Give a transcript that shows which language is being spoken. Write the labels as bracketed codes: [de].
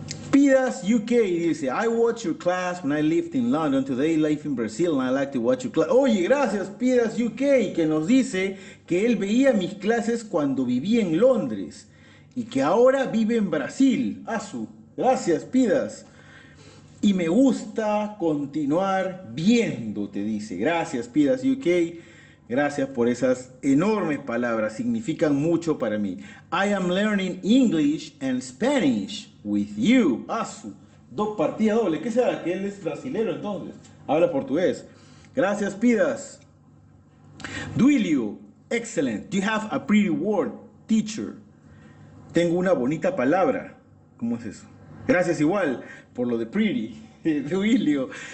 [en] Pidas UK [es] dice, [en] I watch your class when I lived in London. Today life in Brazil and I like to watch your class. [es] Oye, gracias Pidas UK, que nos dice que él veía mis clases cuando vivía en Londres y que ahora vive en Brasil. Asu, gracias Pidas. Y me gusta continuar viéndote, dice. Gracias Pidas UK, gracias por esas enormes palabras, significan mucho para mí. [en] I am learning English and Spanish with you. [es] Asu, partida doble. ¿Qué será? Que él es brasilero entonces, habla portugués. Gracias Pidas. [en] Duilio, excellent. You have a pretty word, teacher. [es] Tengo una bonita palabra. ¿Cómo es eso? Gracias igual por lo de pretty. Duilio.